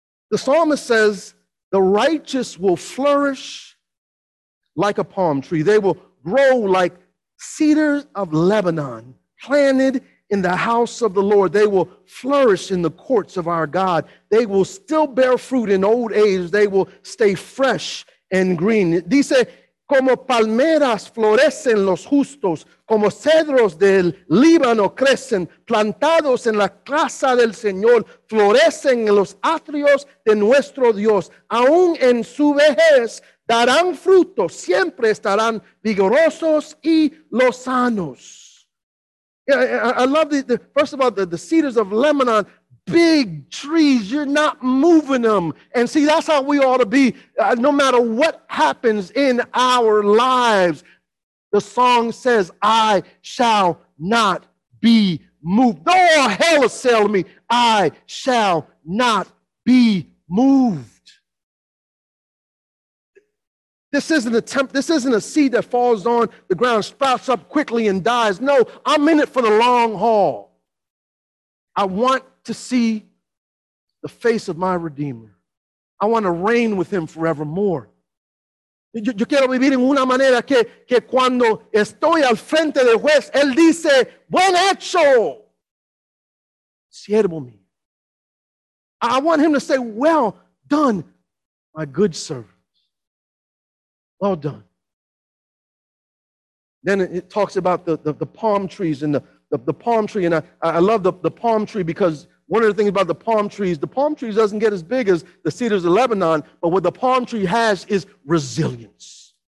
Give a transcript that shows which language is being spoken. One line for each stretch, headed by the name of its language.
English: The psalmist says, the righteous will flourish like a palm tree. They will grow like cedars of Lebanon. Planted in the house of the Lord, they will flourish in the courts of our God. They will still bear fruit in old age. They will stay fresh and green.
Spanish: Dice, como palmeras florecen los justos, como cedros del Líbano crecen, plantados en la casa del Señor, florecen en los atrios de nuestro Dios. Aún en su vejez darán fruto, siempre estarán vigorosos y los sanos.
English: Yeah, I love the first of all, the cedars of Lebanon, big trees, you're not moving them. And see, that's how we ought to be. No matter what happens in our lives, the song says, I shall not be moved. No hell assail me, I shall not be moved. This isn't a temp. This isn't a seed that falls on the ground, sprouts up quickly, and dies. No, I'm in it for the long haul. I want to see the face of my Redeemer. I want to reign with him forevermore.
Spanish: Yo quiero vivir en una manera que cuando estoy al frente del juez, él dice, buen hecho, siervo mío.
English: I want him to say, well done, my good servant. Well done. Then it talks about the palm trees and the palm tree. And I love the palm tree because one of the things about the palm trees doesn't get as big as the cedars of Lebanon, but what the palm tree has is resilience.